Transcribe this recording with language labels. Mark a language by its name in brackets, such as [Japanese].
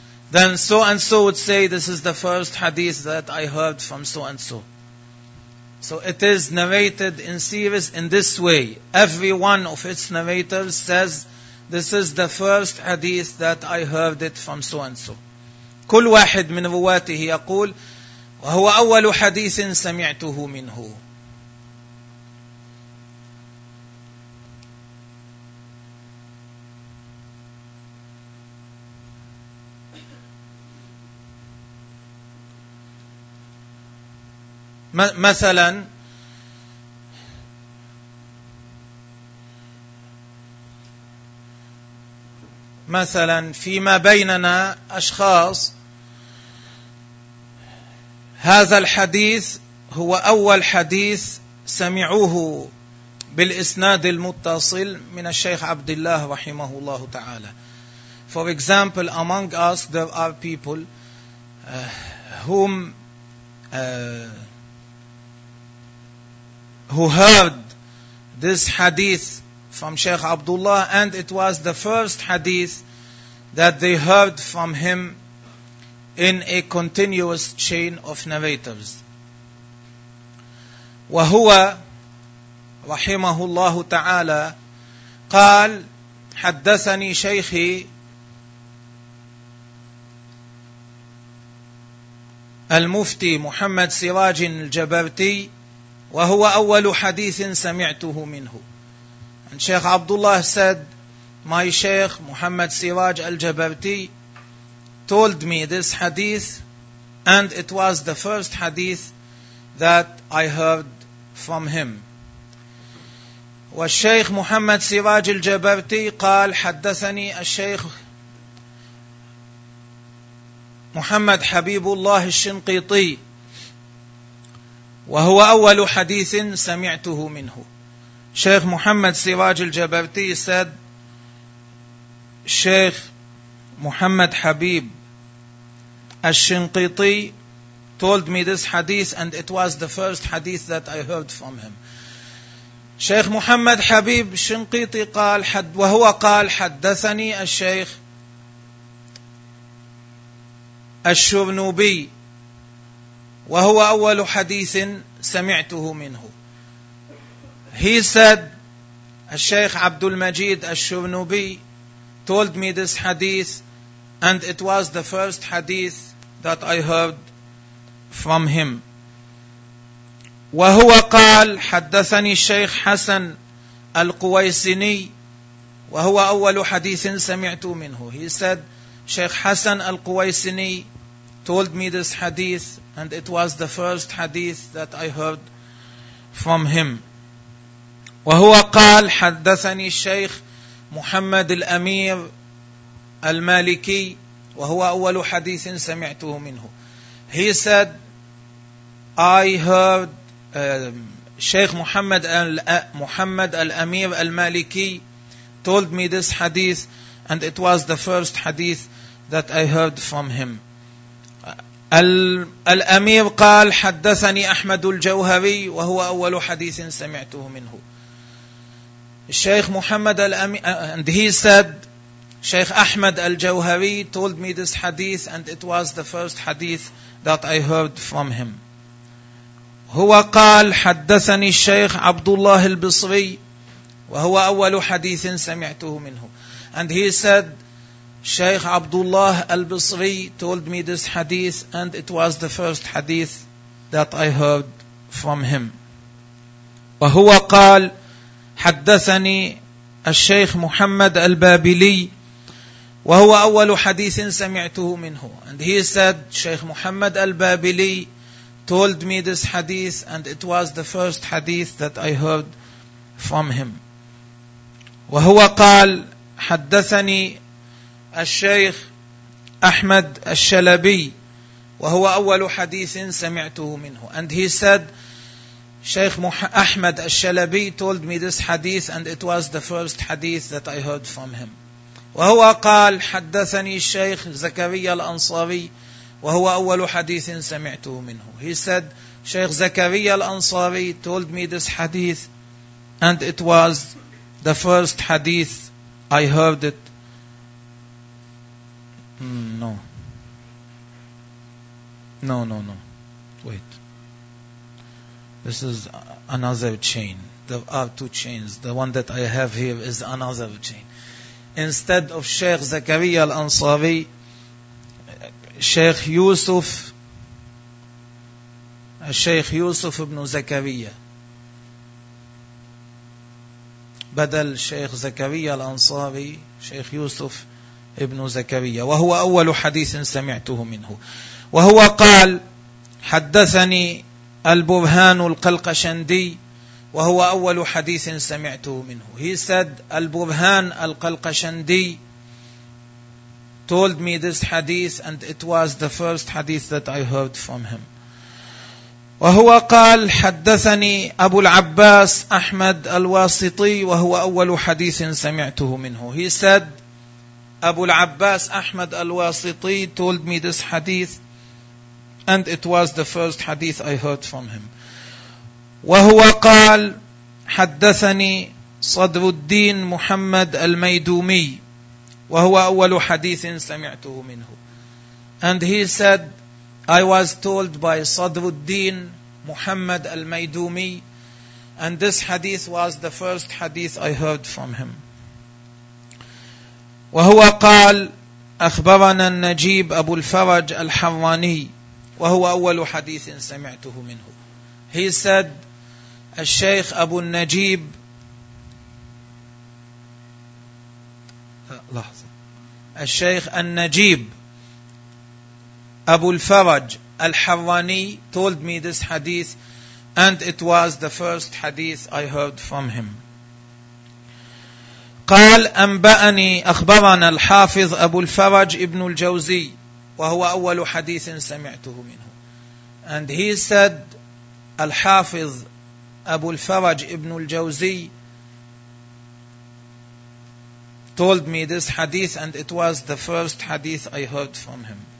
[English] Then so and so would say this is the first hadith that I heard from so and so. So it is narrated in series in this way. Every one of its narrators says this is the first hadith that I heard it from so and so. [Arabic] كل واحد من رواته يقول وهو أول حديث سمعته منه. مثلا مثلا فيما بيننا أشخاص, هذا الحديث هو أول حديث سمعوه بالإسناد المتصل من الشيخ عبد الله رحمه الله تعالى. [English] For example, among us there are people who heard this hadith from Shaykh Abdullah, and it was the first hadith that they heard from him in a continuous chain of narrators. [Arabic] وهو رحمه الله تعالى قال حدثني شيخي المفتي محمد سراج الجبرتي وهو أول حديث سمعته منه. [English] And Shaykh Abdullah said, my Shaykh Muhammad Siraj al-Jabarti told me this hadith, and it was the first hadith that I heard from him. [Arabic] والشيخ محمد سراج الجبرتي قال حدثني الشيخ محمد حبيب الله الشنقيطي وهو أول حديث سمعته منه. [English] Shaykh Muhammad Siraj al-Jabarti said, Shaykh Muhammad Habib al-Shinqiti told me this hadith, and it was the first hadith that I heard from him. [Arabic] Shaykh Muhammad Habib al-Shinqiti قال حد وهو قال حدثني الشيخ الشرنوبي وهو أول حديث سمعته منه. [English] He said, الشيخ عبد المجيد الشنوبي told me this hadith, and it was the first hadith that I heard from him. [Arabic] وهو قال حدثني الشيخ حسن القويسني وهو أول حديث سمعت منه. [English] He said, Sheikh Hassan al-Quwaisini told me this hadith, and it was the first hadith that I heard from him. [Arabic] وهو قال حدثني الشيخ محمد الأمير المالكي وهو أول حديث سمعته منه. [English] He said, I heard Sheikh Muhammad al-Amir al-Maliki told me this hadith, and it was the first hadith that I heard from him. [Arabic] Al-Amir قال حدثني أحمد الجوهري وهو أول حديث سمعته منه. [English] Sheikh Muhammad al-Amir, and he said, Sheikh Ahmed al-Jawhari told me this hadith, and it was the first hadith that I heard from him. [Arabic] هو قال حدثني الشيخ عبد الله البصري وهو أول حديث سمعته منه. [English] And he said, Sheikh Abdullah al-Basri told me this hadith, and it was the first hadith that I heard from him. [Arabic] وهو قال حدثني الشيخ محمد البابلي وهو أول حديث سمعته منه. [English] And he said, Sheikh Muhammad al-Babili told me this hadith, and it was the first hadith that I heard from him. [Arabic] وهو قال حدثني الشيخ أحمد الشلبي وهو أول حديث سمعته منه. [English] And he said, Sheikh Ahmed al-Shalabi told me this hadith, and it was the first hadith that I heard from him. [Arabic] وهو قال حدثني الشيخ زكريا الأنصاري وهو أول حديث سمعته منه. [English] He said, Sheikh زكريا الأنصاري told me this hadith, and it was the first hadith I heard it. No. Wait. This is another chain. There are two chains. The one that I have here is another chain. Instead of Sheikh Zakaria al-Ansari, Sheikh Yusuf ibn Zakaria. Badal Sheikh Zakaria al-Ansari, Sheikh Yusuf ibn Zakaria. [Arabic] وهو أول حديث سمعته منه. وهو قال حدثني البرهان القلقشندي وهو أول حديث سمعته منه. [English] He said, البرهان القلقشندي told me this hadith, and it was the first hadith that I heard from him. [Arabic] وهو قال حدثني أبو العباس أحمد الواسطي وهو أول حديث سمعته منه. [English] He said, أبو العباس أحمد الواسطي told me this hadith, and it was the first hadith I heard from him. [Arabic] وهو قال حدثني صدر الدين محمد الميدومي وهو أول حديث سمعته منه. [English] And he said, I was told by صدر الدين محمد الميدومي, and this hadith was the first hadith I heard from him. [Arabic] وهو قال أخبرنا النجيب أبو الفرج الحراني وهو أول حديث سمعته منه. [English] He said, الشيخ أبو النجيب, [Arabic] لحظة, [English] الشيخ النجيب أبو الفرج الحراني told me this hadith, and it was the first hadith I heard from him. [Arabic] قال أنبأني أخبرنا الحافظ أبو الفرج ابن الجوزي وهو أول حديث سمعته منه. [English] And he said, الحافظ أبو الفرج ابن الجوزي told me this hadith, and it was the first hadith I heard from him.